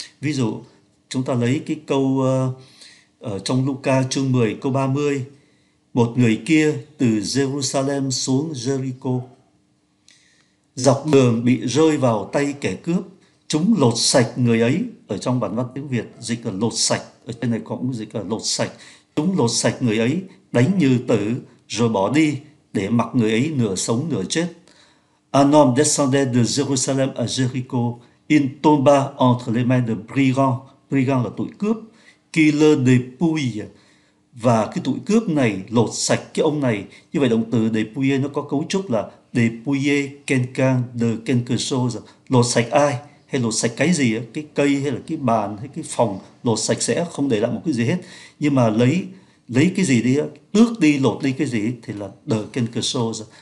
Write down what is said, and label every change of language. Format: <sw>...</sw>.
<vi>Ví dụ chúng ta lấy cái câu ở trong Luca chương 10 câu 30, một người kia từ Jerusalem xuống Jericho, dọc đường bị rơi vào tay kẻ cướp, chúng lột sạch người ấy. Ở trong bản văn tiếng Việt dịch là lột sạch, ở trên này cũng dịch là lột sạch, chúng lột sạch người ấy, đánh như tử rồi bỏ đi, để mặc người ấy nửa sống nửa chết.</vi> <fr>Un homme descendait de Jérusalem à Jéricho, il tomba entre les mains de brigands.</fr> <vi>Brigands là tụi cướp,</vi> <fr>qui le dépouille.</fr> <vi>Và cái tụi cướp này lột sạch cái ông này. Như vậy động từ dépouiller nó có cấu trúc là</vi> <fr>dépouiller quelqu'un de quelque chose,</fr> <vi>lột sạch ai hay lột sạch cái gì, cái cây hay là cái bàn hay cái phòng, lột sạch sẽ không để lại một cái gì hết. Nhưng mà lấy cái gì đi, tước đi, lột đi cái gì thì là</vi> <fr>de quelque chose.</fr>